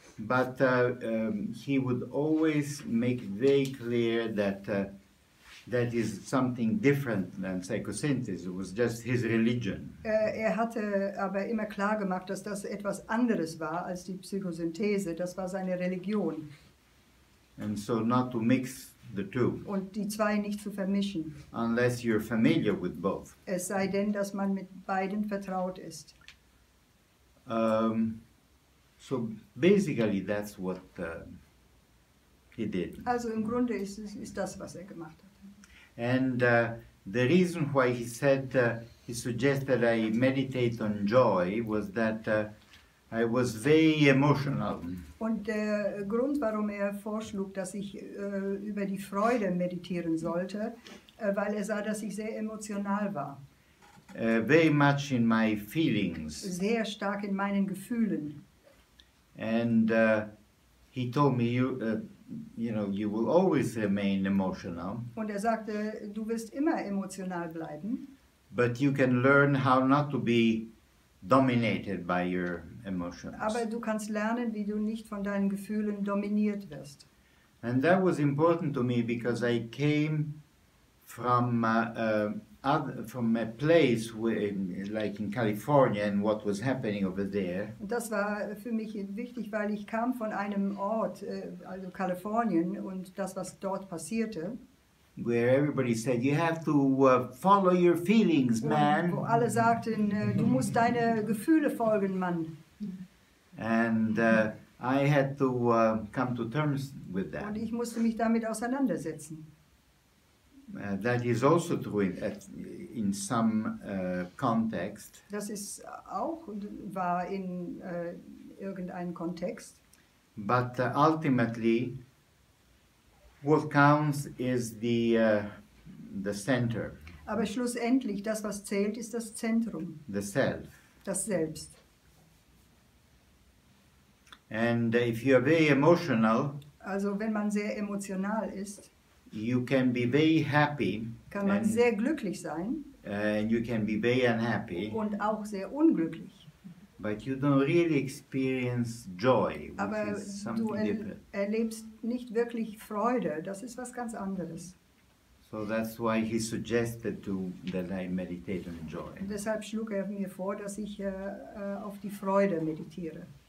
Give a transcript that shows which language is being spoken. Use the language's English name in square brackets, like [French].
[English] But he would always make very clear that that is something different than psychosynthesis. It was just his religion. [German] Er hatte aber immer klar gemacht, dass das etwas anderes war als die Psychosynthese. Das war seine Religion. [English] And so not to mix the two. [German] Und die zwei nicht zu vermischen. [English] Unless you're familiar with both. [German] Es sei denn, dass man mit beiden vertraut ist. [English] So basically that's what he did. [German] Also im Grunde ist das, was er gemacht hat. [English] And the reason why he said, he suggested I meditate on joy was that I was very emotional. [German] Und der Grund, warum er vorschlug, dass ich über die Freude meditieren sollte, weil er sah, dass ich sehr emotional war. [English] Very much in my feelings. [German] Sehr stark in meinen Gefühlen. [English] And he told me, you will always remain emotional. [German] Und er sagte, du wirst immer emotional bleiben. [English] But you can learn how not to be dominated by your emotions. [German] Aber du kannst lernen, wie du nicht von deinen Gefühlen dominiert wirst. [English] And that was important to me because I came from a place like in California and what was happening over there. [German] Das war für mich wichtig, weil ich kam von einem Ort, also Kalifornien, und das, was dort passierte. [English] Where everybody said, you have to follow your feelings, man. [German] Wo alle sagten, du musst deine Gefühle folgen, Mann. [English] And I had to come to terms with that. [German] Und ich musste mich damit auseinandersetzen. [English] That is also true in some context. [German] Das ist auch wahr in irgendeinem Kontext. [English] But ultimately, what counts is the center. [German] Aber schlussendlich, das, was zählt, ist das Zentrum. [English] The self. [German] Das Selbst. [English] And if you are very emotional, [German] also wenn man sehr emotional ist, [English] you can be very happy. [German] Kann man sehr glücklich sein. [English] And you can be very unhappy. [German] Und auch sehr unglücklich. [English] But you don't really experience joy, which [German] aber [English] is something [German] du [English] different. [German] Erlebst nicht wirklich Freude. Das ist was ganz anderes. [English] So that's why he suggested that I meditate on joy. [German] Und deshalb schlug er mir vor, dass ich auf die Freude meditiere.